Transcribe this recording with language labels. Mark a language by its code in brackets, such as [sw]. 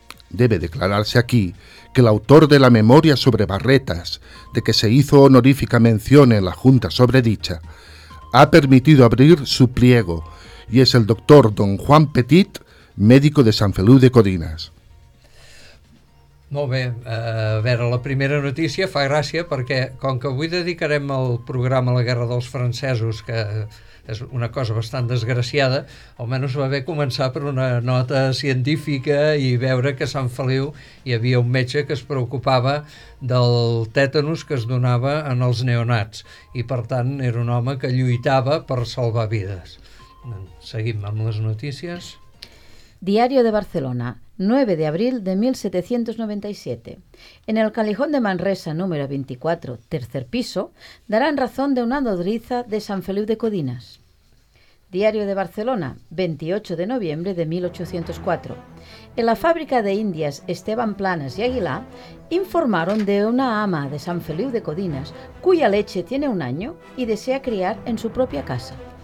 [es] Debe declararse aquí que el autor de la memoria sobre barretas, de que se hizo honorífica mención en la junta sobredicha, ha permitido abrir su pliego y es el doctor don Juan Petit, médico de San Feliu de Codines. [ca] Molt bé, a veure, la primera notícia fa gràcia perquè, com que avui dedicarem el programa a la Guerra dels Francesos, que és una cosa bastant desgraciada, almenys va bé començar per una nota científica i veure que a Sant Feliu hi havia un metge que es preocupava del tètanus que es donava en els neonats i, per tant, era un home que lluitava per salvar vides. Seguim amb les notícies. [es] Diario de Barcelona, 9 de abril de 1797. En el Callejón de Manresa número 24, tercer piso, darán razón de una nodriza de San Feliu de Codines. Diario de Barcelona, 28 de noviembre de 1804. En la fábrica de indias Esteban Planas y Aguilar informaron de una ama de San Feliu de Codines cuya leche tiene un año y desea criar en su propia casa.